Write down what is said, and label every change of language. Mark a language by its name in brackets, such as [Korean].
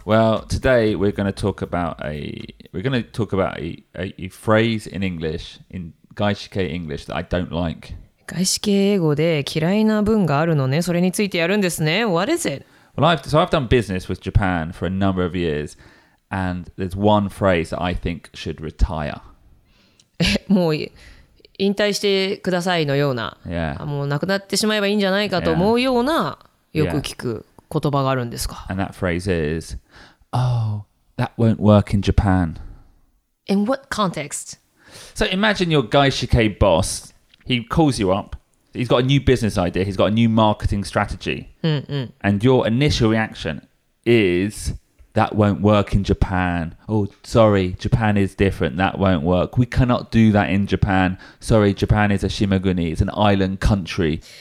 [English] Well, today we're going to talk about a phrase in English in 外資系 English that I don't like. [Japanese] 外資系英語で嫌いな文があるのね。それについてやるんですね。 [English] What is it? Well, I've done business with Japan for a number of years, and there's one phrase that I think should retire. [Japanese] もう引退してくださいのような、 [English] yeah. [Japanese] もう亡くなってしまえばいいんじゃないかと思うようなよく聞く言葉があるんですか。 [English] And that phrase is, oh, that won't work in Japan. In what context? So imagine your 外資系 boss, he calls you up, he's got a new business idea, he's got a new marketing strategy, and your initial reaction is, that won't work in Japan, oh sorry, Japan is different, that won't work, we cannot do that in Japan, sorry, Japan is a shimaguni, it's an island country.